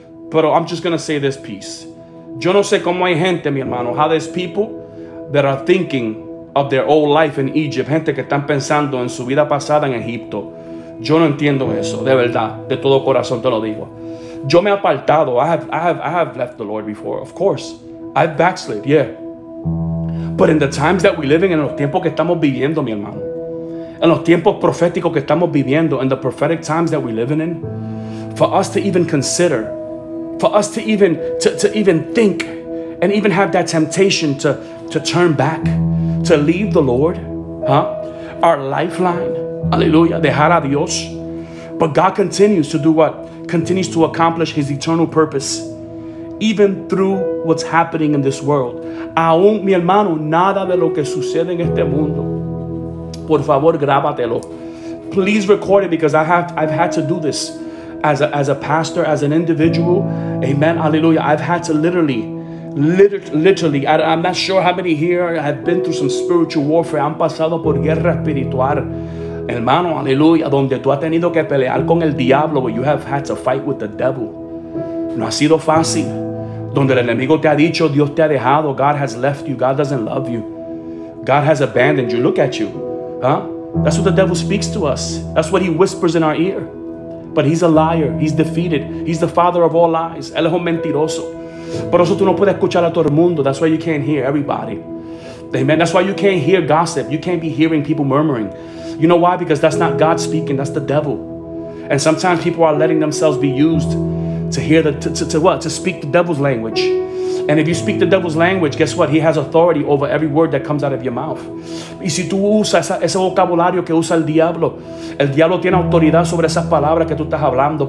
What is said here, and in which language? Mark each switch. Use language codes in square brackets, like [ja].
[es] Pero [en] I'm just going to say this piece. [es] Yo no sé cómo hay gente, mi hermano, [en] how there's people that are thinking of their old life in Egypt. [es] Gente que están pensando en su vida pasada en Egipto. Yo no entiendo eso, de verdad. De todo corazón te lo digo. Yo me he apartado. [en] I have left the Lord before, of course. I've backslid, yeah. But in the times that we're living, [es] en los tiempos que estamos viviendo, mi hermano. En los tiempos proféticos que estamos viviendo, [en] in the prophetic times that we're living in, for us to even consider, for us to even to even think and even have that temptation to turn back, to leave the Lord, huh? Our lifeline, aleluya, [es] dejar a Dios. [en] But God continues to do what? Continues to accomplish his eternal purpose, even through what's happening in this world. [es] Aún, mi hermano, nada de lo que sucede en este mundo. Por favor, grábatelo. [en] Please record it, because I've had to do this as a pastor, as an individual. Amen. Hallelujah. I've had to literally. I'm not sure how many here have been through some spiritual warfare. [es] Han pasado por guerra espiritual, hermano. Hallelujah. Donde tú has tenido que pelear con el diablo, [en] where you have had to fight with the devil. [es] No ha sido fácil. Donde el enemigo te ha dicho, Dios te ha dejado. [en] God has left you. God doesn't love you. God has abandoned you. Look at you. Huh? That's what the devil speaks to us. That's what he whispers in our ear. But he's a liar. He's defeated. He's the father of all lies. [es] Él es un mentiroso. Por eso tú no puedes escuchar a todo el mundo. [en] That's why you can't hear everybody. Amen. That's why you can't hear gossip. You can't be hearing people murmuring. You know why? Because that's not God speaking. That's the devil. And sometimes people are letting themselves be used to hear to what? To speak the devil's language. And if you speak the devil's language, guess what? He has authority over every word that comes out of your mouth. [es] Y si tú usas ese vocabulario que usa el diablo tiene autoridad sobre esas palabras que tú estás hablando.